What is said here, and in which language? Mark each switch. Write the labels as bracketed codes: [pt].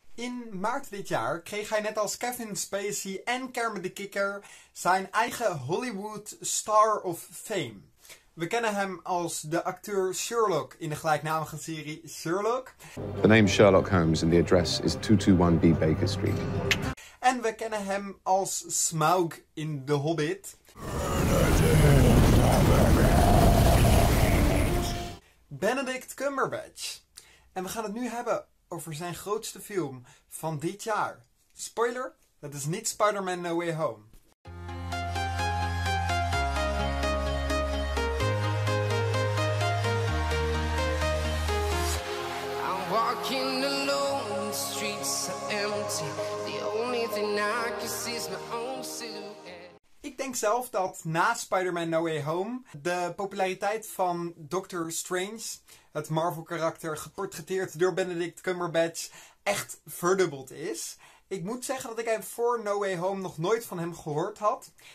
[nl] In maart dit jaar kreeg hij net als Kevin Spacey en Kermit de Kikker zijn eigen Hollywood Star of Fame. We kennen hem als de acteur Sherlock in de gelijknamige serie Sherlock. [en] The name Sherlock Holmes and the address is 221B Baker Street. [nl] En we kennen hem als Smaug in The Hobbit. Benedict Cumberbatch. En we gaan het nu hebben over zijn grootste film van dit jaar. Spoiler, dat is niet Spider-Man No Way Home. [en] I'm walking alone, the streets are empty. The only thing I can see is my own silhouette. [nl] Ik denk zelf dat na Spider-Man No Way Home de populariteit van Doctor Strange, het Marvel-karakter geportretteerd door Benedict Cumberbatch, echt verdubbeld is. Ik moet zeggen dat ik hem voor No Way Home nog nooit van hem gehoord had.